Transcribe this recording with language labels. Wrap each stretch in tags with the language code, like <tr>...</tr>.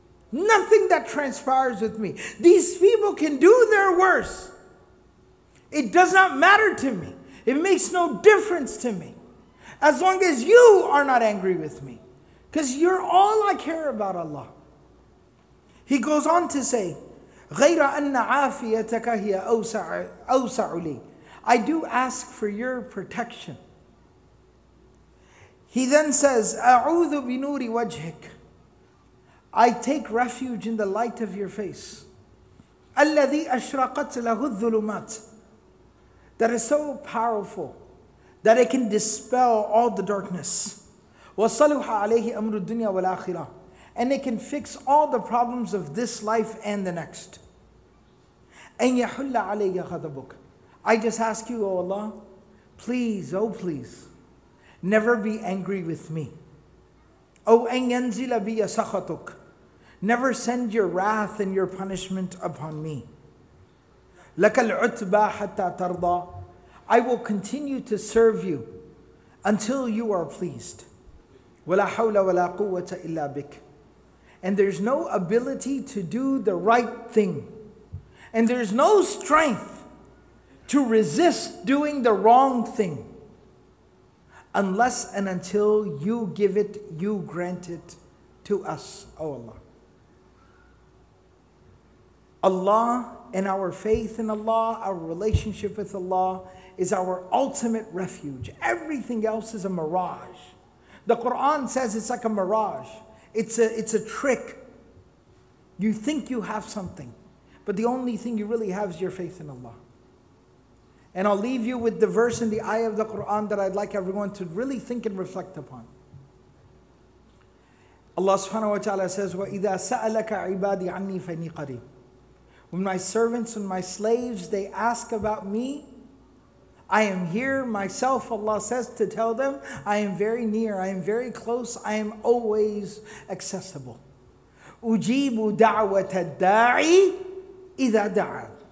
<en>Nothing that transpires with me. These people can do their worst. It does not matter to me. It makes no difference to me. As long as you are not angry with me. Because you're all I care about, Allah. He goes on to say,</en> <ar>غَيْرَ أَنَّ عَافِيَتَكَ هِيَ أَوْسَعُ لِي.</ar> <en>I do ask for your protection. He then says,</en> <ar>أَعُوذُ بِنُورِ وَجْهِكَ.</ar> <en>I take refuge in the light of your face.</en> <ar>الَّذِي أَشْرَقَتْ لَهُ الظُّلُمَاتِ.</ar> <en>That is so powerful that it can dispel all the darkness.</en> <ar>وَصَلُحَ عَلَيْهِ أَمْرُ الدُّنْيَا وَالْآخِرَةِ.</ar> <en>And it can fix all the problems of this life and the next.</en> <ar>أَنْ يَحُلَّ عَلَيْهِ غَضَبُكَ.</ar> <en>I just ask you, O Allah, please, oh please, never be angry with me.</en> <ar>Oh, أَنْ يَنْزِلَ بِيَ سَخَطُكَ.</ar> <en>Never send your wrath and your punishment upon me.</en> <ar>لَكَ الْعُتْبَى حَتَّى تَرْضَى.</ar> <en>I will continue to serve you until you are pleased.</en> <ar>وَلَا حَوْلَ وَلَا قُوَّةَ إِلَّا بِكَ.</ar> <en>And there's no ability to do the right thing. And there's no strength to resist doing the wrong thing. Unless and until you give it, you grant it to us, O Allah. Allah and our faith in Allah, our relationship with Allah is our ultimate refuge. Everything else is a mirage. The Quran says it's like a mirage. It's a trick. You think you have something, but the only thing you really have is your faith in Allah. And I'll leave you with the verse in the ayah of the Quran that I'd like everyone to really think and reflect upon. Allah subhanahu wa ta'ala says,</en> <ar>وَإِذَا سَأَلَكَ عِبَادِي عَنِّي فَإِنِّي قَرِيبٌ.</ar> <en>When my servants and my slaves, they ask about me, I am here myself, Allah says, to tell them, I am very near, I am very close, I am always accessible.</en> <ar>أُجِيبُ دَعْوَةَ الدَّاعِ إِذَا دَعَى.</ar>